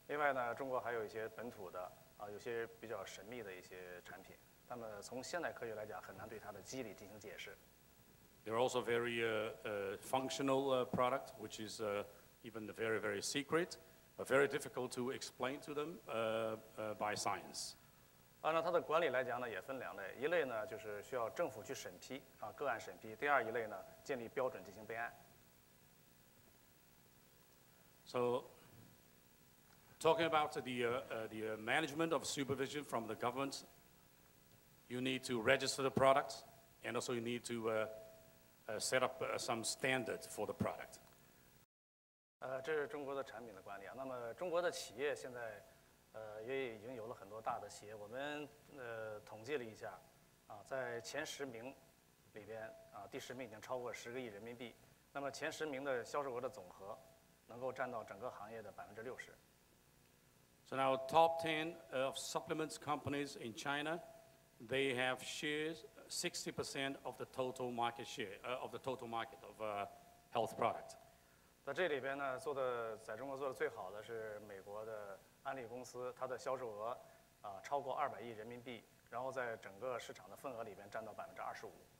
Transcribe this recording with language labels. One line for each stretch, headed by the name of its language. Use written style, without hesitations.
Chinese: 另外呢，中国还有一些本土的。有些比较神秘的一些产品，那么从现代科学来讲，很难对它的机理进行解释。
English: There are also very functional product, which is even very very secret, but very difficult to explain to them by science.
Chinese: 按照它的管理来讲呢，也分两类，一类呢就是需要政府去审批啊，个案审批；第二一类呢，建立标准进行备案。
English: So. Talking about the management of supervision from the government, you need to register the product, and also you need to set up some standard for the product.
Chinese: 这是中国的产品的管理啊。那么中国的企业现在，也已经有了很多大的企业。我们统计了一下，啊，在前十名里边，啊，第十名已经超过10亿人民币。那么前十名的销售额的总和，能够占到整个行业的60%。
English: So now, top 10 of supplements companies in China, they have shares 60% of the total market share of the total market of health product.
Chinese: 在这里边呢，做的在中国做的最好的是美国的安利公司，它的销售额超过200亿人民币，然后在整个市场的份额里边占到25%。